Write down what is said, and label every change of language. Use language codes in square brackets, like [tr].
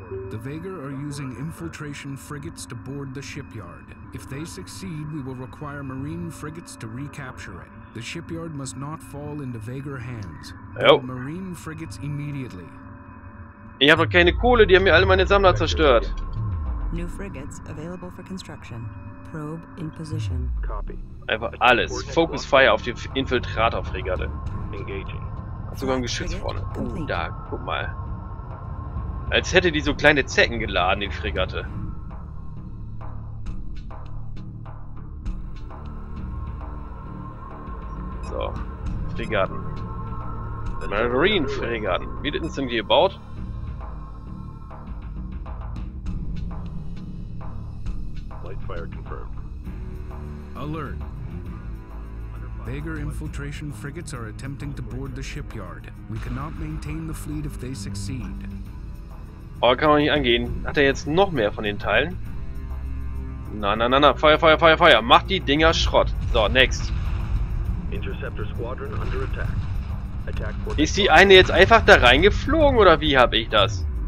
[en] The Vega are using infiltration frigates to board the shipyard. If they succeed, we will require marine frigates to recapture it. The shipyard must not fall into Vager hands. Yep. Marine frigates immediately. [de] Ich habe noch keine Kohle, die haben mir alle meine Sammler zerstört. [en] New frigates available for construction. Probe in position. Copy. [de] Einfach alles. [en] Focus fire [de] auf die Infiltrator-Fregatte. [en] Engaging. [de] Hat sogar ein Geschütz vorne. Oh, da, guck mal. Als hätte die so kleine Zecken geladen, die Fregatte. So, Fregatten. Marine Fregatten. Wie denn sind die gebaut? [en] Light fire confirmed. Alert. Vager infiltration frigates are attempting to board the shipyard. We cannot maintain the fleet if they succeed. [de] Oh, kann man nicht angehen. Hat er jetzt noch mehr von den Teilen? Na, na, na, na. Feuer, Feuer, Feuer, Feuer. Mach die Dinger Schrott. So, next. [en] Interceptor Squadron under attack. Attack for the... [de] Ist die eine jetzt einfach da reingeflogen oder wie habe ich das?